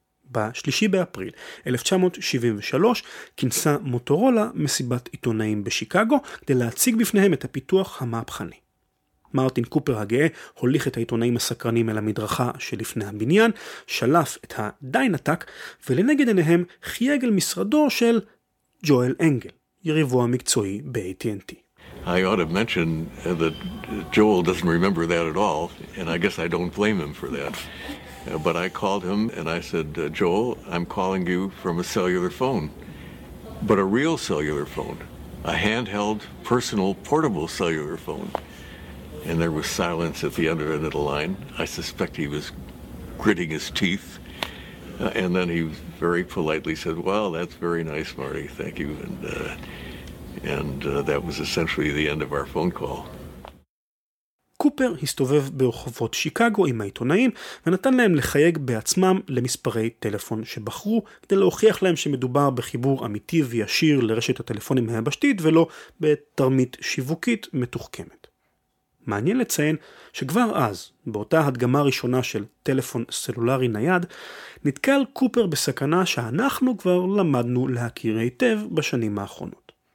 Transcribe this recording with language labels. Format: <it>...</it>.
<he>בשלישי באפריל 1973 כינסה מוטורולה מסיבת עיתונאים בשיקגו כדי להציג בפניהם את הפיתוח המהפכני. מרטין קופר הגאה הוליך את העיתונאים הסקרנים אל המדרכה שלפני הבניין, שלף את הדיינטק ולנגד עיניהם חייג אל משרדו של ג'ואל אנגל, יריבו המקצועי ב-AT&T.</he> <en>I ought to mention that Joel doesn't remember that at all, and I guess I don't blame him for that. But I called him and I said, Joel, I'm calling you from a cellular phone. But a real cellular phone. A handheld, personal, portable cellular phone. And there was silence at the other end of the line. I suspect he was gritting his teeth. And then he very politely said, well, that's very nice, Marty, thank you. And that was essentially the end of our phone call.</en> <he>קופר הסתובב ברחובות שיקגו עם העיתונאים ונתן להם לחייג בעצמם למספרי טלפון שבחרו כדי להוכיח להם שמדובר בחיבור אמיתי וישיר לרשת הטלפונים היבשתית ולא בתרמית שיווקית מתוחכמת. מעניין לציין שכבר אז, באותה הדגמה ראשונה של טלפון סלולרי נייד, נתקל קופר בסכנה שאנחנו כבר למדנו להכיר היטב בשנים האחרונות.</he>